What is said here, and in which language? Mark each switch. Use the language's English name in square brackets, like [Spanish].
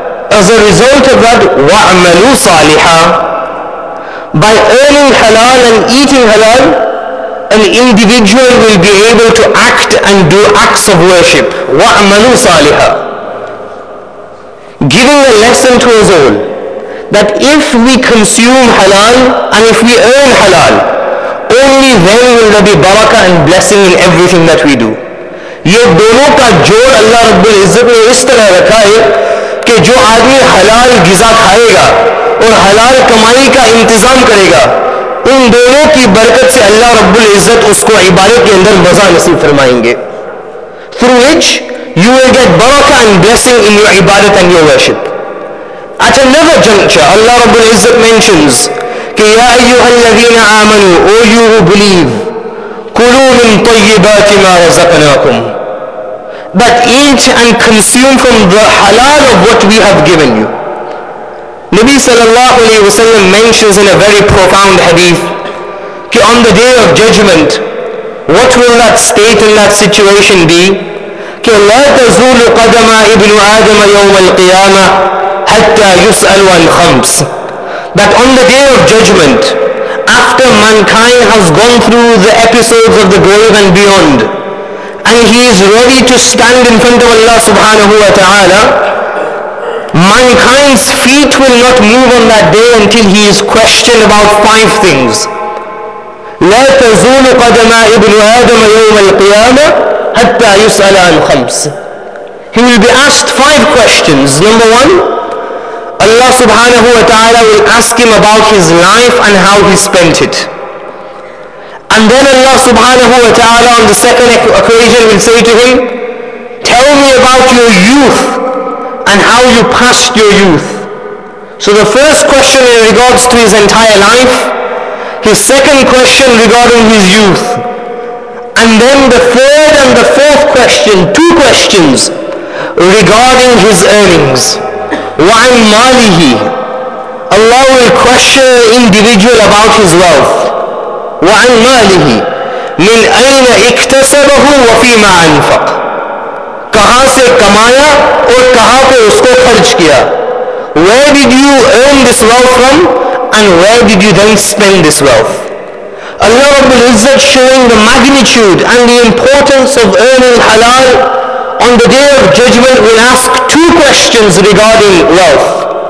[English] As a result of that, [Arabic] wa'amalu saliha. [English] By earning halal and eating halal, an individual will be able to act and do acts of worship. [Arabic] Wa'amalu saliha. [English] Giving a lesson to us all, that if we consume halal and if we earn halal, only then will there be barakah and blessing in everything that we do. [Urdu] یہ دونوں کا جوڑ اللہ رب العزت نے اس طرح رکھا ہے کہ جو آدمی حلال غذا کھائے گا اور حلال کمائی کا انتظام کرے گا, ان دونوں کی برکت سے اللہ رب العزت اس کو عبادت کے اندر مزہ نصیب فرمائیں گے. [English] Through which you will get barakah and blessing in your عبادت and your worship. At another juncture اللہ رب العزت mentions کہ [Arabic] یا ایوہ الذین آمنوا, [English] O you who believe, [Arabic] كُلُوا مِن طَيِّبَاتِ مَا رَزَقْنَاكُمْ, [English] but eat and consume from the halal of what we have given you. Nabi sallallahu alayhi wa sallam mentions in a very profound hadith that on the day of judgment, what will that state and that situation be? [Arabic] كَ لَا تَزُولُ قَدَمَا إِبْنُ آدَمَ يَوْمَ الْقِيَامَةِ حَتَّى يُسْأَلُ عَنْ خَمْسِ. [English] That on the day of judgment, after mankind has gone through the episodes of the grave and beyond, and he is ready to stand in front of Allah subhanahu wa ta'ala, mankind's feet will not move on that day until he is questioned about five things. [Arabic] لا تزول قدم ابن آدم يوم القيامة حتى يسأل عن خمس. [English] He will be asked five questions. Number one, Allah subhanahu wa ta'ala will ask him about his life and how he spent it. And then Allah subhanahu wa ta'ala on the second occasion will say to him, tell me about your youth and how you passed your youth. So the first question in regards to his entire life, his second question regarding his youth, and then the third and the fourth question, two questions regarding his earnings. [Arabic] وَعَنْ مَالِهِ. [English] Allah will question an individual about his wealth. [Arabic] وَعَنْ مَالِهِ مِنْ أَيْنَ اِكْتَسَبَهُ وَفِي مَا أَنْفَقْ. [Urdu] کہاں سے کمایا اور کہاں پہ اس کو خرچ کیا. [English] Where did you earn this wealth from and where did you then spend this wealth? Allah Rabbul Izzat showing the magnitude and the importance of earning halal. On the day of judgment will ask two questions regarding wealth.